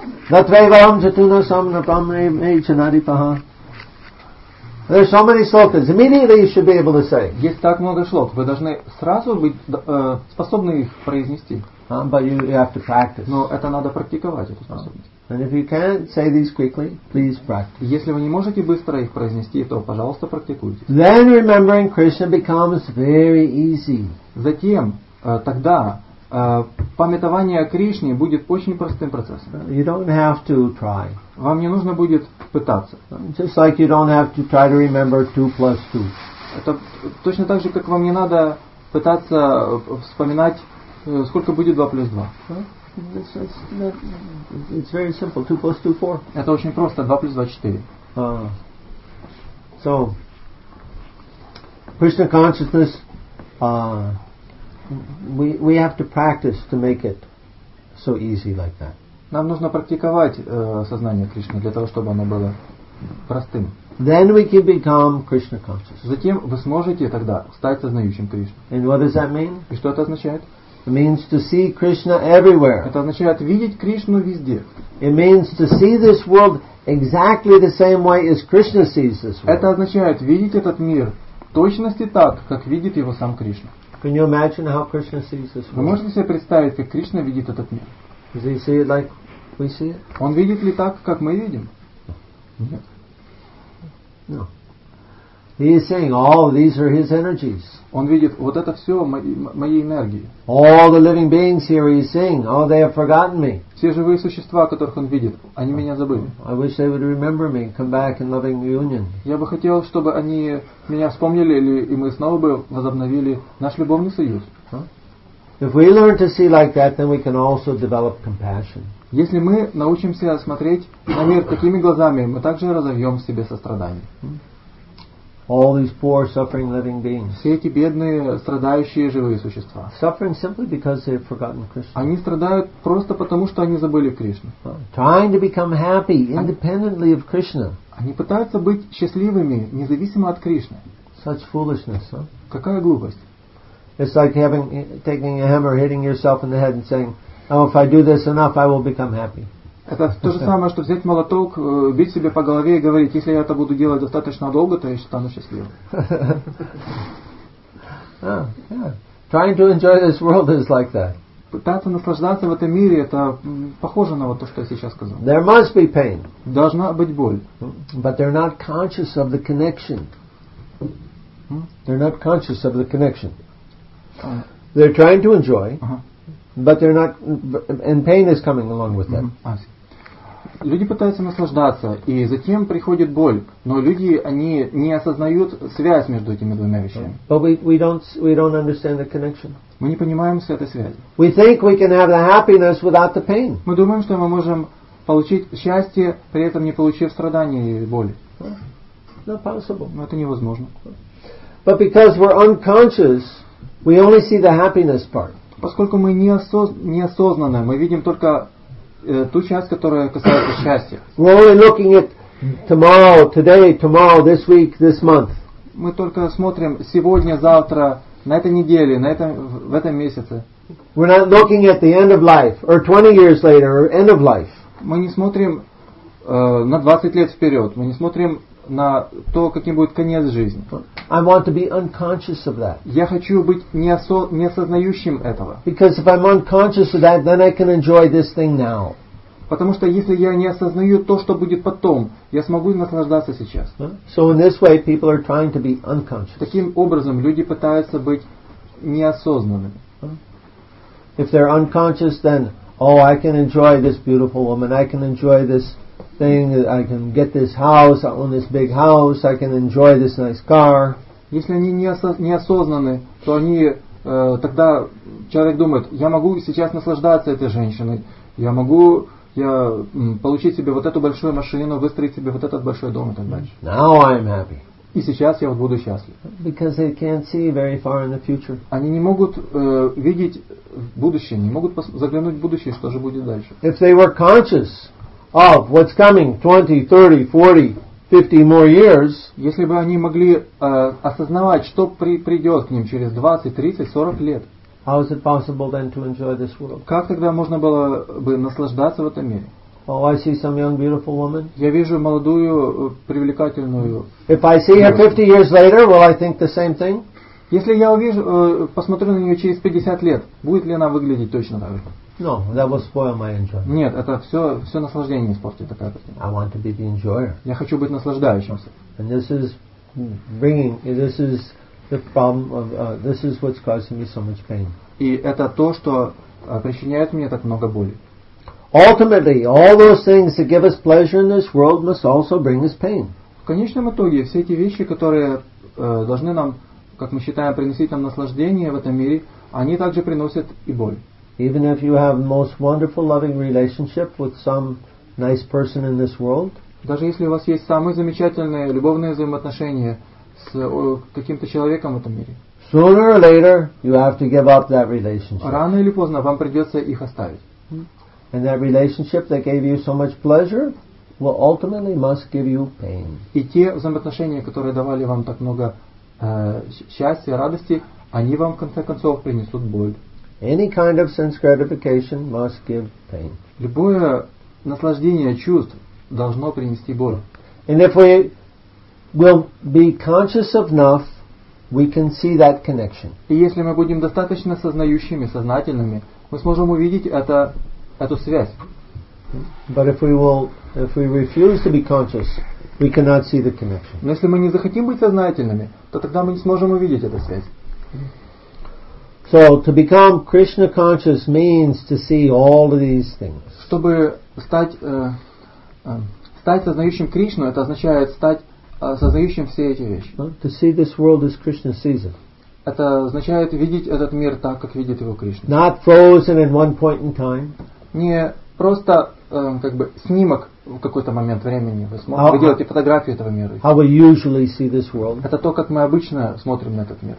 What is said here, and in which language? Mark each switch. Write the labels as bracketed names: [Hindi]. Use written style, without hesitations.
[English] Натвейвам жатуна сам напамре мейчанари паха. There are so many shlokas. Immediately you should be able to say. [Russian] Есть так много шлок. Вы должны сразу быть способны их произнести. [English] But you have to practice. [Russian] Но это надо практиковать, эту способность. [English] And if you can't say these quickly, please practice. [Russian] Если вы не можете быстро их произнести, то, пожалуйста, практикуйте. [English] Then remembering Krishna becomes very easy. [Russian] Затем, тогда, памятование о Кришне будет очень простым процессом. [English] You don't have to try. [Russian] Вам не нужно будет пытаться. [English] Just like you don't have to try to remember 2 plus 2. [Russian] Это точно так же, как вам не надо пытаться вспоминать, сколько будет 2 плюс 2. [English] It's very simple. 2 plus 2, 4. [Russian] Это очень просто. 2 плюс 2, 4. [English] So, Krishna consciousness, we have to practice to make it so easy like that. [Russian] Нам нужно практиковать сознание Кришны для того, чтобы оно было простым. [English] Then we can become Krishna conscious. [Russian] Затем вы сможете тогда стать сознающим Кришну. [English] And what does that mean? [Russian] И что это означает? [English] It means to see Krishna everywhere. [Russian] Это означает видеть Кришну везде. [English] It means to see this world exactly the same way as Krishna sees this world. [Russian] Это означает видеть этот мир в точности так, как видит его сам Кришна. [English] Can you imagine how Krishna sees this world? [Russian] Вы можете себе представить, как Кришна видит этот мир? [English] Does he see it like we see it? [Russian] Он видит ли так, как мы видим? Нет. [English] No. He is saying, all these are his energies. [Russian] Он видит, вот это все мои энергии. [English] All the living beings here, he is saying, oh, they have forgotten me. [Russian] Все живые существа, которых он видит, они меня забыли. [English] I wish they would remember me, come back in loving union. [Russian] Я бы хотел, чтобы они меня вспомнили или и мы снова бы возобновили наш любовный союз. [English] If we learn to see like that, then we can also develop compassion. [Russian] Если мы научимся смотреть на мир такими глазами, мы также разовьем в себе сострадание. [English] All these poor suffering living beings. [Russian] Все эти бедные страдающие живые существа. [English] Suffering simply because they have forgotten Krishna. [Russian] Они страдают просто потому, что они забыли Кришну. [English] Trying to become happy independently of Krishna. [Russian] Они пытаются быть счастливыми независимо от Кришны. [English] Such foolishness, huh? [Russian] Какая глупость. [English] It's like taking a hammer, hitting yourself in the head, and saying, "Oh, if I do this enough, I will become happy." [Russian] Это то же самое, что взять молоток, бить себе по голове и говорить, если я это буду делать достаточно долго, то я стану счастливым. [English] Trying to enjoy this world is like that. [Russian] Пытаться наслаждаться в этом мире, это похоже на вот то, что я сейчас сказал. [English] There must be pain. [Russian] Должна быть боль. [English] But they're not conscious of the connection. They're not conscious of the connection. They're trying to enjoy, but they're not, and pain is coming along with them. [Russian] Люди пытаются наслаждаться, и затем приходит боль. Но люди они не осознают связь между этими двумя вещами. [English] But we don't understand the connection. [Russian] Мы не понимаем с этой связи. [English] We think we can have the happiness without the pain. [Russian] Мы думаем, что мы можем получить счастье при этом не получив страдания и боли. [English] Not possible. [Russian] Но это невозможно. [English] But because we're unconscious. We only see the happiness part. [Russian] Поскольку мы неосознанные, мы видим только ту часть, которая касается счастья. [English] We're only looking at tomorrow, today, tomorrow, this week, this month. [Russian] Мы только смотрим сегодня, завтра, на этой неделе, в этом месяце. [English] We're not looking at the end of life, or 20 years later, or end of life. [Russian] Мы не смотрим на 20 лет вперед. Мы не смотрим на то, каким будет конец жизни. [English] I want to be unconscious of that. [Russian] Я хочу быть неосознающим этого. [English] Because if I'm unconscious of that, then I can enjoy this thing now. [Russian] Потому что если я не осознаю то, что будет потом, я смогу наслаждаться сейчас. [English] So in this way, people are trying to be unconscious. [Russian] Таким образом, люди пытаются быть неосознанными. [English] If they're unconscious, then, oh, I can enjoy this beautiful woman, I can enjoy this thing, I can get this house, I own this big house, I can enjoy this nice car. [Russian] Если они неосознаны, то они тогда человек думает, я могу сейчас наслаждаться этой женщиной, я могу получить себе вот эту большую машину, выстроить себе вот этот большой дом и так дальше. [English] Now I'm happy. [Russian] И сейчас я вот буду счастлив. [English] Because they can't see very far in the future. [Russian] Они не могут видеть будущее, не могут заглянуть в будущее, что же будет дальше. [English] If they were conscious of what's coming 20, 30, 40, 50 more years. [Russian] Если бы они могли осознавать, что придет к ним через 20, 30, 40 лет. [English] How is it possible then to enjoy this world? [Russian] Как тогда можно было бы наслаждаться в этом мире? [English] Oh, I see some young beautiful woman. [Russian] Я вижу молодую привлекательную. [English] If I see her 50 years later, will I think the same thing? [Russian] Если я увижу, посмотрю на нее через 50 лет, будет ли она выглядеть точно так же? [English] No, that will spoil my enjoyment. [Russian] Нет, это все наслаждение испортит такая картина. [English] I want to be the enjoyer. [Russian] Я хочу быть наслаждающимся. [English] And this is bringing, this is the problem of, this is what's causing me so much pain. [Russian] И это то, что причиняет мне так много боли. [English] Ultimately, all those things that give us pleasure in this world must also bring us pain. [Russian] В конечном итоге все эти вещи, которые должны нам, как мы считаем, приносить нам наслаждение в этом мире, они также приносят и боль. [English] Even if you have most wonderful loving relationship with some nice person in this world, [Russian] даже если у вас есть самые замечательные любовные взаимоотношения с каким-то человеком в этом мире, [English] sooner or later you have to give up that relationship. [Russian] Рано или поздно вам придется их оставить. [English] And that relationship that gave you so much pleasure will ultimately must give you pain. [Russian] И те взаимоотношения, которые давали вам так много счастья, радости, они вам в конце концов принесут боль. [English] Any kind of sense gratification must give pain. [Russian] Любое наслаждение чувств должно принести боль. [English] And if we will be conscious enough, we can see that connection. [Russian] И если мы будем достаточно сознающими, сознательными, мы сможем увидеть это, эту связь. [English] But if we refuse to be conscious, we cannot see the connection. [Russian] Но если мы не захотим быть сознательными, то тогда мы не сможем увидеть эту связь. [English] So to become Krishna conscious means to see all of these things. [Russian] Чтобы стать сознающим Кришну, это означает стать сознающим все эти вещи. [English] To see this world as Krishna sees it. [Russian] Это означает видеть этот мир так, как видит его Кришна. [English] Not frozen in one point in time. [Russian] Не просто как бы снимок в какой-то момент времени. Вы сможете делать фотографии этого мира. [English] How we usually see this world. [Russian] Это то, как мы обычно смотрим на этот мир.